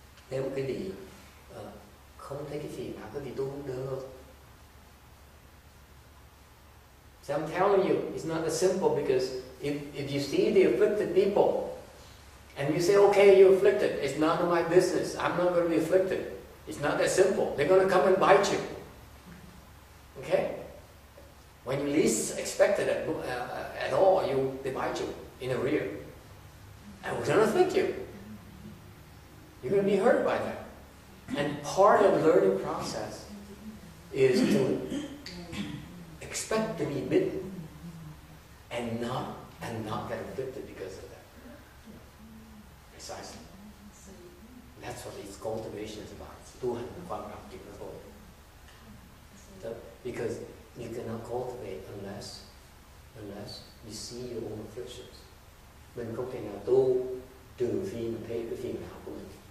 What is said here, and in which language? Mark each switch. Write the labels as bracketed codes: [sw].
[vi] Nếu cái pháp không thấy cái phiền não, cái gì tu cũng được. [en] So I'm telling you, it's not that simple, because if you see the afflicted people and you say, okay, you're afflicted, it's none of my business, I'm not going to be afflicted. It's not that simple. They're going to come and bite you. Okay? When you least expect it at all, they bite you in the rear. And we're going to afflict you. You're going to be hurt by that. And part of the learning process is to expect to be bitten and not get afflicted because of that. Precisely. That's what this cultivation is about. [vi] Tu hành là quan trọng chuyện đó thôi. [en] Because you cannot cultivate unless you see your own afflictions. [vi] Mình không thể nào tu trừ phi mình thấy cái phiền não của mình.